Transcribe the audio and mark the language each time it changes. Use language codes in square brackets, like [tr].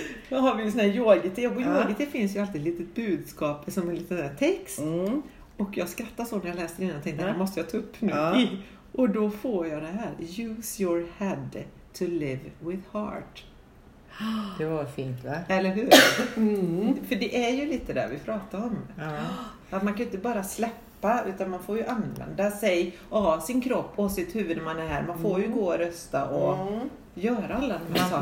[sv] Då har vi ju sån här yogite. Och yogite finns ju alltid ett litet budskap som en liten text. Mm. Och jag skrattar så när jag läste det. Jag tänkte, det måste jag ta upp nu. Ja. Och då får jag det här. [en] Use your head to live with heart. [sv] Det var fint, va? Eller hur? Mm. För det är ju lite där vi pratar om. Ja. Att man kan ju inte bara släppa köpa, utan man får ju använda sig av sin kropp och sitt huvud när man är här. Man får ju gå och rösta och göra alla de här sakerna.